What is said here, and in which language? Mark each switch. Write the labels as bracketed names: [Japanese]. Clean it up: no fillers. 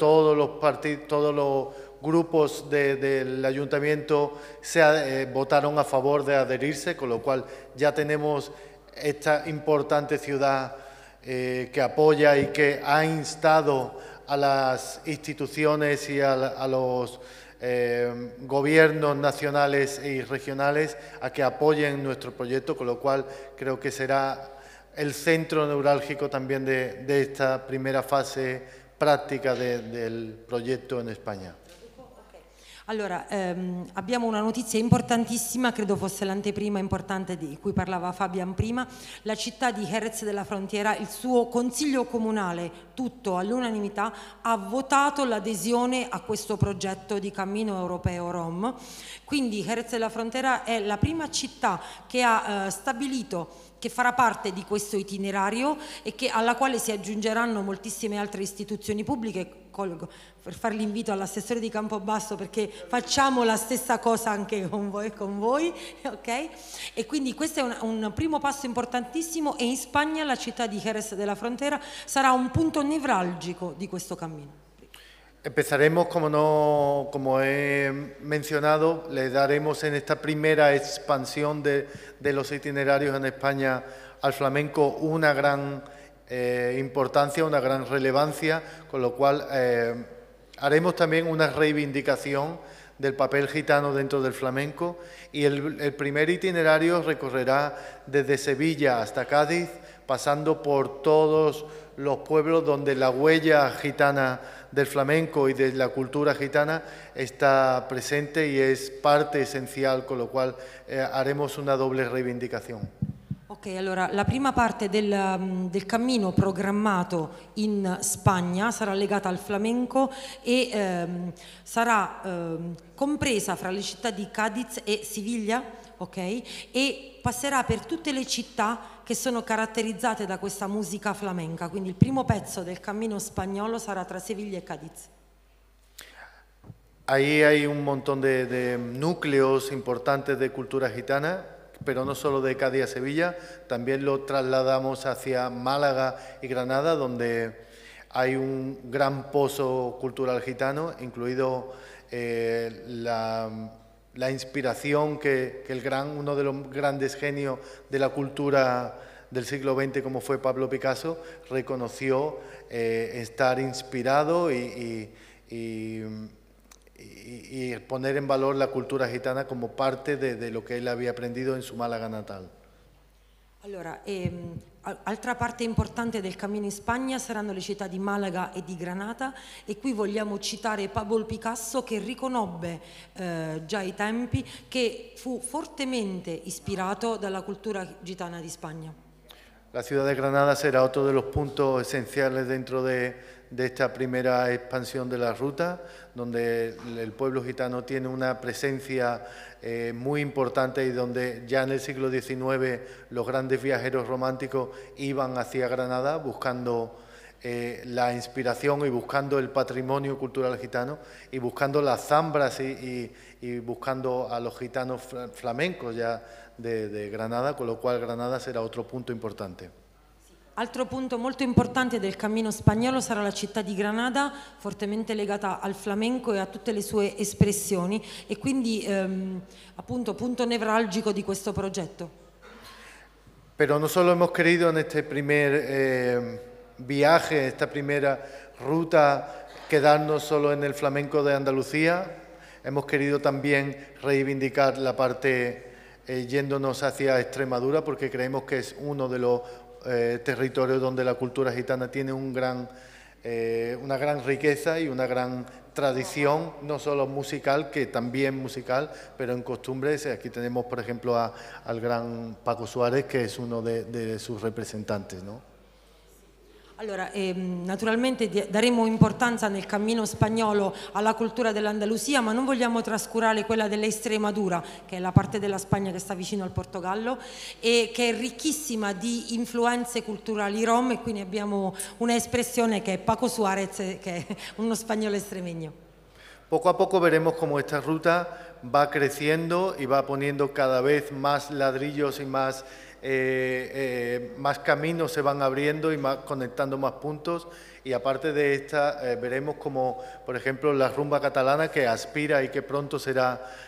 [Spanish] Todos los grupos del ayuntamiento votaron a favor de adherirse, con lo cual ya tenemos esta importante ciudad que apoya y que ha instado a las instituciones y a los gobiernos nacionales y regionales a que apoyen nuestro proyecto, con lo cual creo que será el centro neurálgico también de esta primera fase práctica del proyecto en España. [Italian] Allora, abbiamo una notizia importantissima, credo fosse l'anteprima importante di cui parlava Fabian prima. La città di Jerez della Frontiera, il suo consiglio comunale, tutto all'unanimità, ha votato l'adesione a questo progetto di cammino europeo Rom. Quindi Jerez della Frontiera è la prima città che ha stabilito che farà parte di questo itinerario e che alla quale si aggiungeranno moltissime altre istituzioni pubbliche. Colgo per fare l'invito all'assessore di Campobasso perché facciamo la stessa cosa anche con voi, ok? E quindi questo è un primo passo importantissimo e in Spagna la città di Jerez della Frontera sarà un punto nevralgico di questo cammino. [Spanish] Empezaremos, como he mencionado, le daremos en esta primera expansión de los itinerarios en España al flamenco una gran importancia, una gran relevancia, con lo cual haremos también una reivindicación del papel gitano dentro del flamenco y el primer itinerario recorrerá desde Sevilla hasta Cádiz, pasando por todos los pueblos donde la huella gitana del flamenco y de la cultura gitana está presente y es parte esencial, con lo cual haremos una doble reivindicación. Ok, [Italian] Ok, allora la prima parte del cammino programmato in Spagna sarà legata al flamenco e sarà compresa fra le città di Cadiz e Siviglia, ok? E passerà per tutte le città che sono caratterizzate da questa musica flamenca. Quindi il primo pezzo del cammino spagnolo sarà tra Siviglia e Cadiz. [Spanish] Ahí hay un montón de núcleos importantes de cultura gitana, pero no solo de Cádiz a Sevilla, también lo trasladamos hacia Málaga y Granada, donde hay un gran pozo cultural gitano, incluido la inspiración que uno de los grandes genios de la cultura del siglo XX, como fue Pablo Picasso, reconoció estar inspirado y poner en valor la cultura gitana como parte de lo que él había aprendido en su Málaga natal. [Italian] Allora, altra parte importante del cammino in Spagna saranno le città di Malaga e di Granada, e qui vogliamo citare Pablo Picasso, che riconobbe già ai tempi che fu fortemente ispirato dalla cultura gitana di Spagna. [Spanish] La ciudad de Granada será otro de los puntos esenciales dentro de esta primera expansión de la ruta, donde el pueblo gitano tiene una presencia muy importante y donde ya en el siglo XIX los grandes viajeros románticos iban hacia Granada buscando la inspiración y buscando el patrimonio cultural gitano y buscando las zambras y buscando a los gitanos flamencos ya de Granada, con lo cual Granada será otro punto importante. [Italian] Altro punto molto importante del cammino spagnolo sarà la città di Granada, fortemente legata al flamenco e a tutte le sue espressioni, e quindi appunto punto nevralgico di questo progetto. [Spanish] Pero no solo hemos querido en este primer viaje, esta primera ruta, quedarnos solo en el flamenco de Andalucía, hemos querido también reivindicar la parte yéndonos hacia Extremadura, porque creemos que es uno de los territorio donde la cultura gitana tiene una gran riqueza y una gran tradición, no solo musical, que también musical, pero en costumbres. Aquí tenemos, por ejemplo, al gran Paco Suárez, que es uno de sus representantes, ¿no? [Italian] Allora, naturalmente daremo importanza nel cammino spagnolo alla cultura dell'Andalusia, ma non vogliamo trascurare quella dell'Estremadura, che è la parte della Spagna che sta vicino al Portogallo e che è ricchissima di influenze culturali rom, e quindi abbiamo un'espressione che è Paco Suárez, che è uno spagnolo estremeño. [Spanish] Poco a poco [Italian] vedremo come questa [Spanish] ruta va crescendo e va ponendo cada vez más ladrillos y más más caminos se van abriendo y más conectando más puntos, y aparte de esta veremos como, por ejemplo, la rumba catalana, que aspira y que pronto será